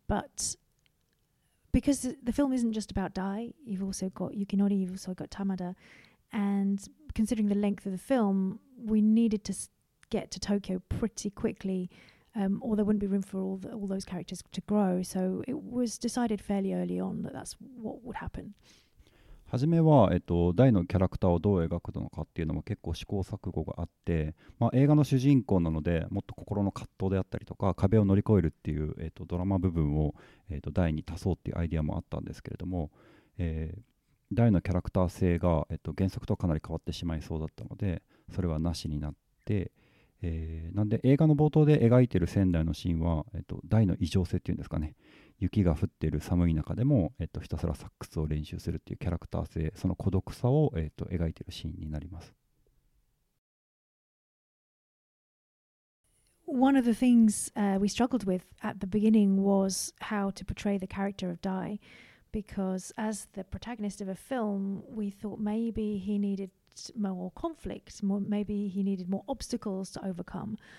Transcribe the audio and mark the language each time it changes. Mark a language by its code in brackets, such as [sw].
[en] But because the film isn't just about Dai, you've also got Yukinori, you've also got Tamada. And considering the length of the film, we needed to get to Tokyo pretty quickly or there wouldn't be room for all those characters to grow. So it was decided fairly early on that that's what would happen. [ja] 初めは、大のキャラクターをどう描くのかっていうのも結構試行錯誤があって、まあ、映画の主人公なのでもっと心の葛藤であったりとか壁を乗り越えるっていう、ドラマ部分を、大に足そうっていうアイデアもあったんですけれども、大のキャラクター性が、原作とかなり変わってしまいそうだったのでそれはなしになって、なんで映画の冒頭で描いてる仙台のシーンは、大の異常性っていうんですかね、雪が降っている寒い中でも、ひたすらサックスを練習するっていうキャラクター性、その孤独さを、描いているシーンになります。 [en] One of the things, we struggled with at the beginning was how to portray the character of Dai, because as the protagonist of a film, we thought maybe he needed more conflict, more, maybe he needed more obstacles to overcome.